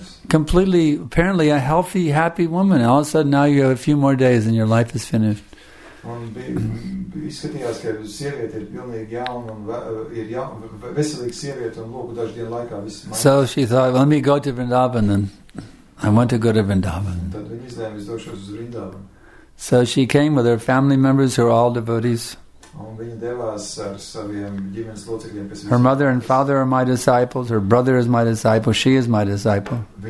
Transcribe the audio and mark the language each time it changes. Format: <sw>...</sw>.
<en>Completely, apparently a healthy, happy woman. All of a sudden now you have a few more days and your life is finished.</en> <lv>Izskatījās, ka sieviete ir pilnīgi jauna un ir veselīga sieviete un lūk dažu dienu laikā viss mainās.</lv> <en>So she thought, let me go to Vrindavan then. I want to go to Vrindavan. So she came with her family members who are all devotees. Her mother and father are my disciples. Her brother is my disciple. She is my disciple.</en>